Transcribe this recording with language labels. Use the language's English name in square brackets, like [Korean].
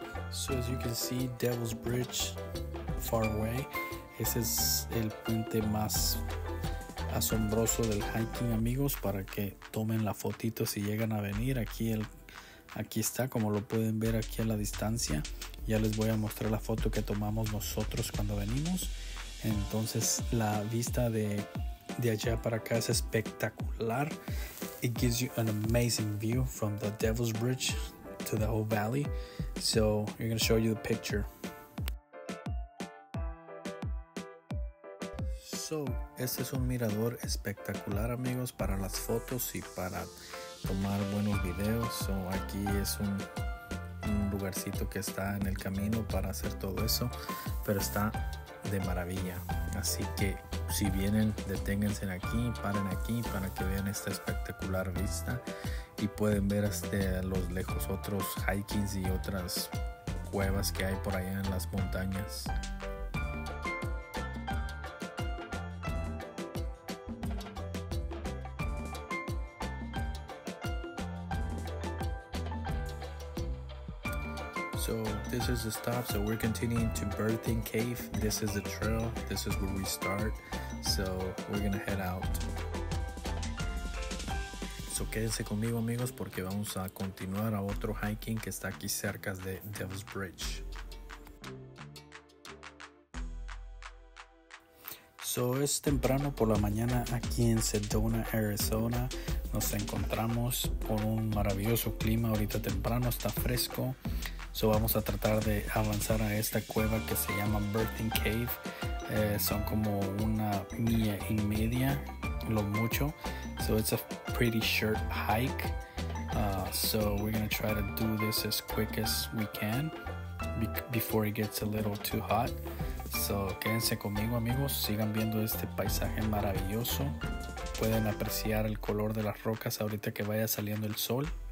[English] So as you can see, Devil's Bridge, far away. [Spanish] Ese es el puente más asombroso del hiking, amigos, para que tomen la fotito si llegan a venir. Aquí está, como lo pueden ver aquí a la distancia. Ya les voy a mostrar la foto que tomamos nosotros cuando venimos. Entonces, la vista de allá para acá es espectacular. [English] It gives you an amazing view from the Devil's Bridge to the whole valley. So we're gonna show you the picture. [Spanish] So este es un mirador espectacular, amigos, para las fotos y para tomar buenos videos. So aquí es un lugarcito que está en el camino para hacer todo eso, pero está de maravilla. Así que si vienen, deténganse aquí, paren aquí para que vean esta espectacular vista y pueden ver hasta los lejos otros hikings y otras cuevas que hay por allá en las montañas. [English] So this is the stop, so we're continuing to Birthing Cave. This is the trail, this is where we start, so we're gonna head out. [Spanish] So quédense conmigo, amigos, porque vamos a continuar a otro hiking que está aquí cerca de Devil's Bridge. So, es temprano por la mañana aquí en Sedona, Arizona. Nos encontramos con un maravilloso clima ahorita temprano, está fresco. So, vamos a tratar de avanzar a esta cueva que se llama Birthing Cave. Son como una milla y media, lo mucho. [English] So, it's a pretty short hike. So, we're going to try to do this as quick as we can before it gets a little too hot. [Spanish] So, quédense conmigo, amigos. Sigan viendo este paisaje maravilloso. Pueden apreciar el color de las rocas ahorita que vaya saliendo el sol.